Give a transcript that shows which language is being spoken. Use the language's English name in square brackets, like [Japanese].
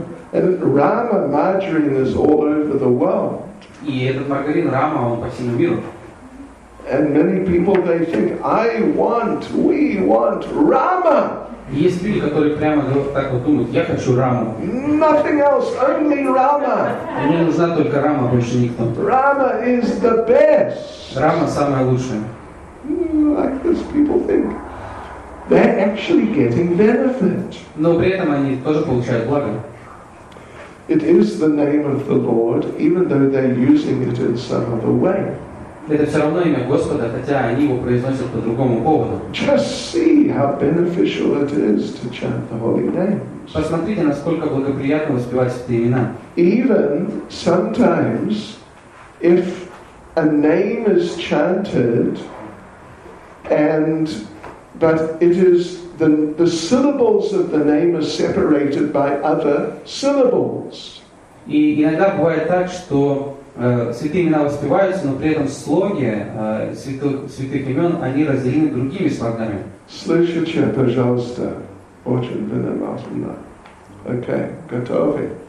[English] And Rama margarine is all over the world. [Russian] И этот маргарин Рама, он по всему миру. [English] And many people they think, we want Rama. [Russian] Есть люди, которые прямо так вот думают, я хочу Раму. [English] Nothing else, only Rama. [Russian] Мне нужна только Рама, больше никто. [English] Rama is the best. [Russian] Рама самая лучшая. [English] Like this people think. They're actually getting benefit. [Russian] Но при этом они тоже получают благо. [English] It is the name of the Lord, even though they're using it in some other way. [Russian] Это все равно имя Господа, хотя они его произносят по другому поводу. [English] Just see how beneficial it is to chant the holy names. [Russian] Посмотрите, насколько благоприятно воспевать эти имена. [English] Even sometimes, if a name is chanted, but it is the syllables of the name are separated by other syllables. [Russian] И иногда бывает так, что святые имена воспеваются, но при этом слоги святых имен они разделены другими слогами. Слышите, пожалуйста, очень внимательно. Okay, готовы?